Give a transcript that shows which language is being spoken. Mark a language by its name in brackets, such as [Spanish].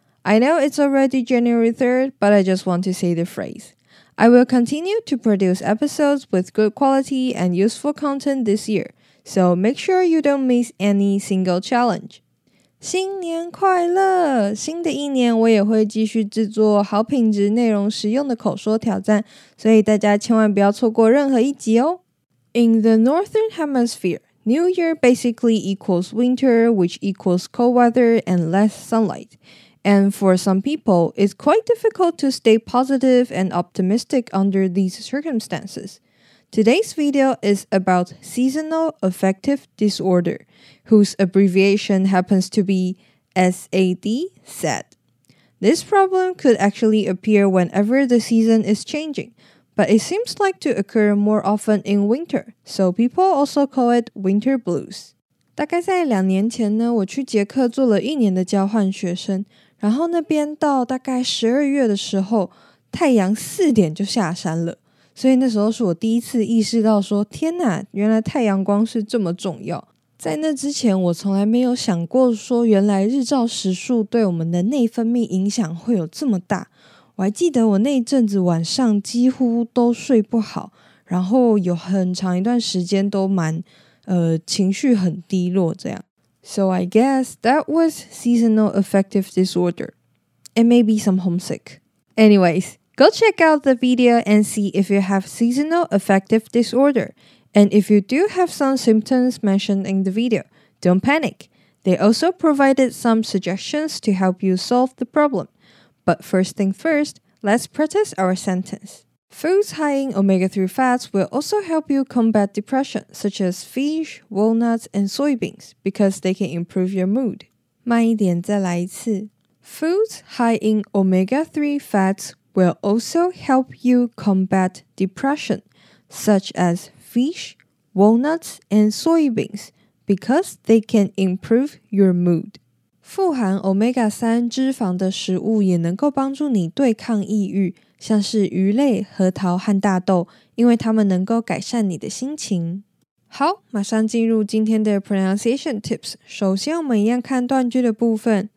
[English] I know it's already January 3rd, but I just want to say the phrase. I will continue to produce episodes with good quality and useful content this year, so make sure you don't miss any single challenge. [Chinese] 新年快乐！新的一年我也会继续制作好品质、内容实用的口说挑战，所以大家千万不要错过任何一集哦。 [English] In the Northern Hemisphere, New Year basically equals winter, which equals cold weather and less sunlight. And for some people, it's quite difficult to stay positive and optimistic under these circumstances. Today's video is about seasonal affective disorder, whose abbreviation happens to be SAD, SAD. This problem could actually appear whenever the season is changing, but it seems like to occur more often in winter, so people also call it winter blues. [Chinese] 大概在两年前呢，我去捷克做了一年的交换学生，然后那边到大概十二月的时候，太阳四点就下山了。所以那时候是我第一次意识到说，天哪，原来太阳光是这么重要。在那之前，我从来没有想过说，原来日照时数对我们的内分泌影响会有这么大。我还记得我那一阵子晚上几乎都睡不好，然后有很长一段时间都蛮，情绪很低落这样。 [English] So I guess that was seasonal affective disorder. And maybe some homesick. Anyways. Go check out the video and see if you have seasonal affective disorder. And if you do have some symptoms mentioned in the video, don't panic. They also provided some suggestions to help you solve the problem. But first thing first, let's practice our sentence. Foods high in omega-3 fats will also help you combat depression, such as fish, walnuts, and soybeans, because they can improve your mood. [Chinese] 慢一点再来一次。 [English] Foods high in omega-3 fatswill also help you combat depression, such as fish, walnuts, and soybeans, because they can improve your mood. [Chinese] 富含 omega-3 脂肪的食物也能够帮助你对抗抑郁，像是鱼类、核桃和大豆，因为它们能够改善你的心情。好，马上进入今天的 [English] pronunciation tips。 [Chinese] 首先，我们一样看断句的部分。